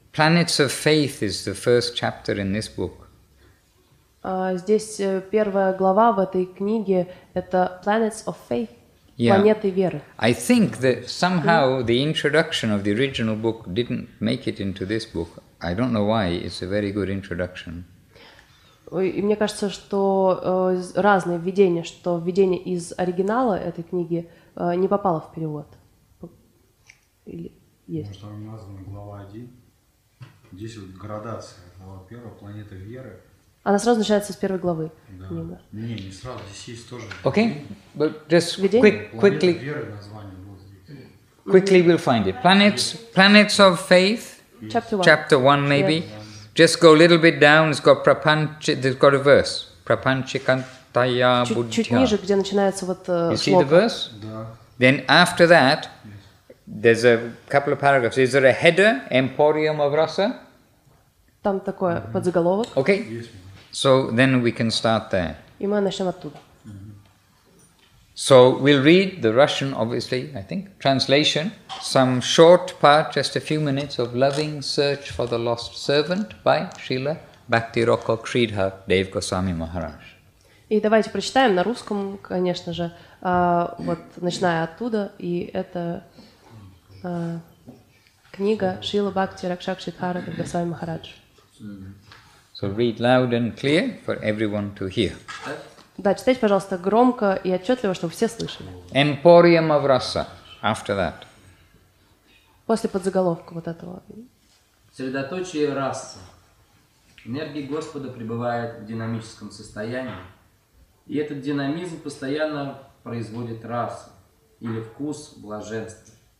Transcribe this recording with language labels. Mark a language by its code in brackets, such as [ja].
[en] Planets of Faith is the first chapter in this book. [ru] Здесь первая глава в этой книге — это Planets of Faith. планеты веры. [en] I think that somehow the introduction of the original book didn't make it into this book. I don't know why. It's a very good introduction. [ru] И мне кажется, что разные введения, что введение из оригинала этой книги не попало в перевод. Или есть? Может, она названа глава 1? Здесь вот градация. Глава 1, планета веры. Она сразу начинается с первой главы. Да. Не, не сразу. Здесь есть тоже. [en] Окей. But just quickly. [ru] Планета веры название вот здесь. [en] Quickly we'll find it. Planets of Faith. Chapter 1. Chapter 1, maybe. Yes. Just go a little bit down. It's got prapanch. There's got a verse. [sa] Prapanchikantaya buddhya. [ru] Чуть ниже, где начинается вот [en] You see the verse? [ru] Да. [en] Then after that, there's a couple of paragraphs. Is there a header? Emporium of Rasa? [ru] Там такое, подзаголовок. [en] Okay. So then we can start there. [ru] И мы начнем оттуда. [en] So we'll read the Russian, obviously, I think, translation. Some short part, just a few minutes, of Loving Search for the Lost Servant by Srila Bhakti Roko Sridhar Dev Goswami Maharaj. [ru] И давайте прочитаем на русском, конечно же, вот начиная оттуда. И это книга Srila Bhakti Roko Sridhar Dev Goswami Maharaj. [en] So read loud and clear for everyone to hear. [ru] Да, читайте, пожалуйста, громко и отчетливо, чтобы все слышали. [en] Emporium of Rasa. After that. [ru] После подзаголовка вот этого. Средоточие расы. Энергия Господа пребывает в динамическом состоянии. И этот динамизм постоянно производит расу или вкус блаженства.